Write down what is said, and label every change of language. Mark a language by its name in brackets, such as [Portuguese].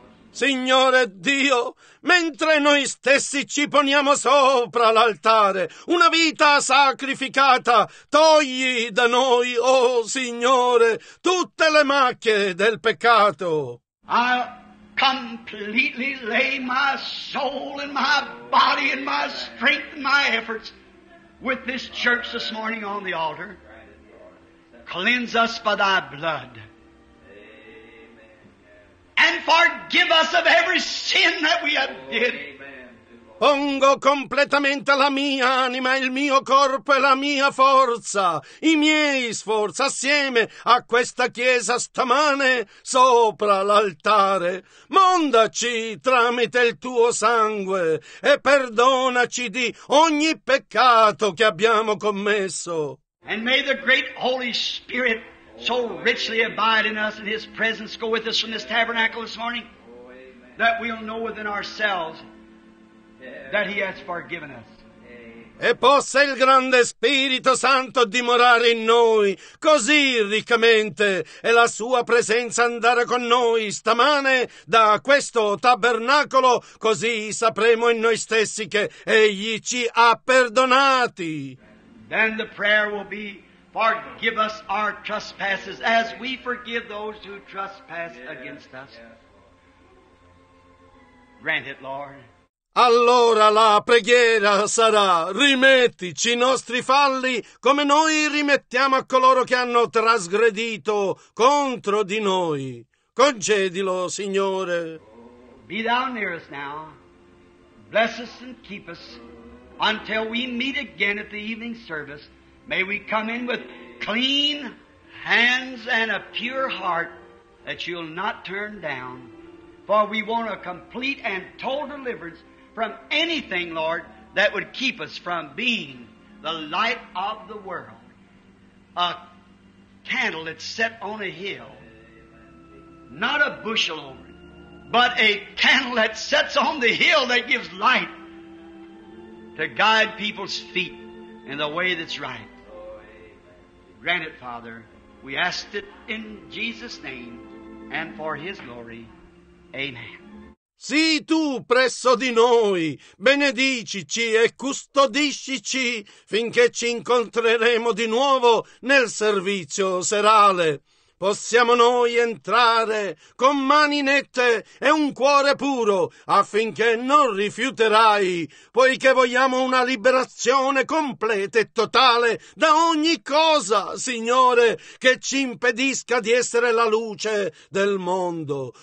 [Italian] Signore Dio, mentre noi stessi ci poniamo sopra l'altare, una vita sacrificata, togli da noi, o Signore, tutte le macchie del peccato. [English] I completely lay my soul and my body and my strength and my efforts with this church this morning on the altar. Cleanse us by thy blood. And forgive us of every sin that we have did. [Italian] Pongo completamente la mia anima, il mio corpo e la mia forza, i miei sforzi assieme a questa chiesa stamane sopra l'altare. Mondaci tramite il tuo sangue e perdonaci di ogni peccato che abbiamo commesso. [English] And may the great Holy Spirit so richly abide in us and his presence go with us from this tabernacle this morning that we'll know within ourselves that he has forgiven us. [Italian] E possa il grande Spirito Santo dimorare in noi così riccamente e la sua presenza andare con noi stamane da questo tabernacolo, così sapremo in noi stessi che egli ci ha perdonati. [English] Then the prayer will be, forgive us our trespasses as we forgive those who trespass against us. Grant it, Lord. [Italian] Allora la preghiera sarà, rimettici i nostri falli come noi rimettiamo a coloro che hanno trasgredito contro di noi. Concedilo, Signore. [English] Be thou near us now. Bless us and keep us until we meet again at the evening service. May we come in with clean hands and a pure heart that you'll not turn down. For we want a complete and total deliverance from anything, Lord, that would keep us from being the light of the world. A candle that's set on a hill. Not a bushel over it, but a candle that sets on the hill that gives light to guide people's feet in the way that's right. Grant it, Father. We ask it in Jesus' name and for His glory. Amen. [Italian] Sii tu presso di noi, benedicici e custodiscici finché ci incontreremo di nuovo nel servizio serale. Possiamo noi entrare con mani nette e un cuore puro affinché non rifiuterai, poiché vogliamo una liberazione completa e totale da ogni cosa, Signore, che ci impedisca di essere la luce del mondo.